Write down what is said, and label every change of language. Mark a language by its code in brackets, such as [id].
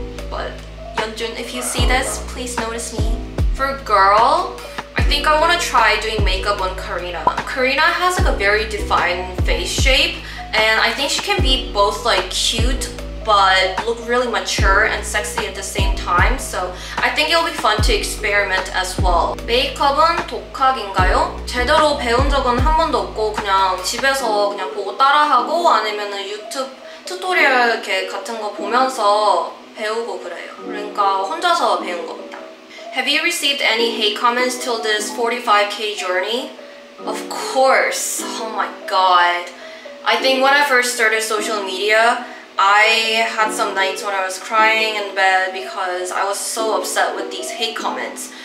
[en] But Yeonjun, if you see this, please notice me. For girl, I think I want to try doing makeup on Karina. Karina has like a very defined face shape, and I think she can be both like cute but look really mature and sexy at the same time, so I think it'll be fun to experiment as well. [ko] 메이크업은 독학인가요? 제대로 배운 적은 한 번도 없고 그냥 집에서 그냥 보고 따라하고 아니면은 유튜브 튜토리얼 이렇게 같은 거 보면서 배우고 그래요. 그러니까 혼자서 배운 겁니다. [en] Have you received any hate comments till this 45k journey? Of course. Oh my god. I think when I first started social media, I had some nights when I was crying in bed because I was so upset with these hate comments.